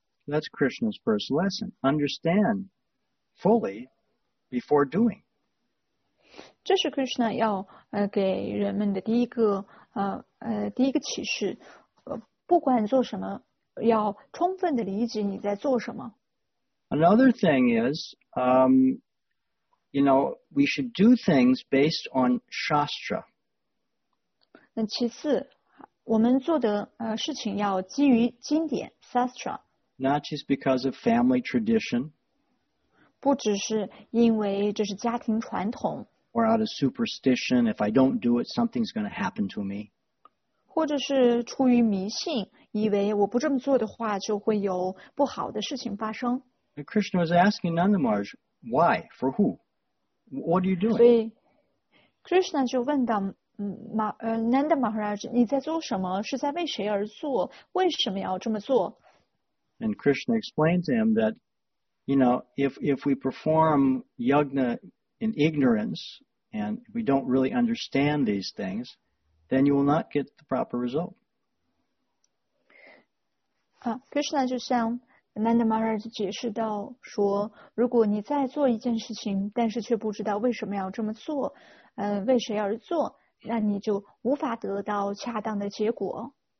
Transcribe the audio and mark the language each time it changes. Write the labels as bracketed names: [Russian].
[English] That's Krishna's first lesson. Understand fully before doing. [Chinese] 这是 Krishna 要给人们的第一个启示，不管做什么，要充分的理解你在做什么。 [English] Another thing is, we should do things based on Shastra. [Chinese] 那其次，我们做的事情要基于经典 Shastra。 [English] Not just because of family tradition, [Chinese] 不只是因为这是家庭传统。 [English] or out of superstition, if I don't do it, something's going to happen to me. [Chinese] 或者是出于迷信，以为我不这么做的话，就会有不好的事情发生。 [English] Krishna was asking Nandamarj, why? For who? What are you doing? [Chinese] 所以，Krishna 就问到，Nanda Maharaj，你在做什么？是在为谁而做？为什么要这么做？ [English] And Krishna explained to him that, if we perform yajna in ignorance and we don't really understand these things, then you will not get the proper result. [Chinese] Krishna 就像 Nanda Maharaj 解释到说，如果你在做一件事情，但是却不知道为什么要这么做，为谁而做，那你就无法得到恰当的结果。